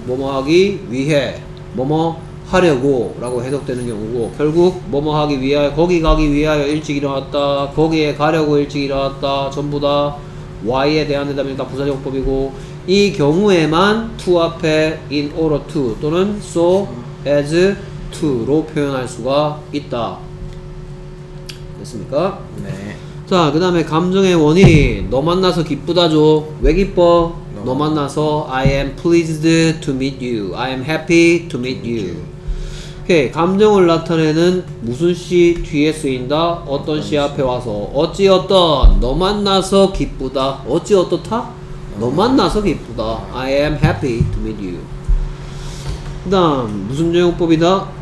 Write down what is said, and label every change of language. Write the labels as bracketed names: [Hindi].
[Korean] 뭐뭐 하기 위해, 뭐뭐 하려고 라고 해석되는 경우고 결국 뭐뭐 하기 위하여, 거기 가기 위하여 일찍 일어났다, 거기에 가려고 일찍 일어났다, 전부 다 Y에 대한 대답이니까 부사제공법이고 이 경우에만 to 앞에 in order to 또는 so as to로 표현할 수가 있다. 됐습니까? 네. 자, 그 다음에 감정의 원인. 너 만나서 기쁘다죠. 왜 기뻐? 너 만나서 [English] I am pleased to meet you. I am happy to meet you. [Korean] 오케이. 감정을 나타내는 무슨 시 뒤에 쓰인다? 어떤 시 앞에 와서 어찌 어떤 너 만나서 기쁘다. 어찌 어떻다? 너 만나서 기쁘다. [English] I am happy to meet you. [Korean] 그다음 무슨 적용법이다?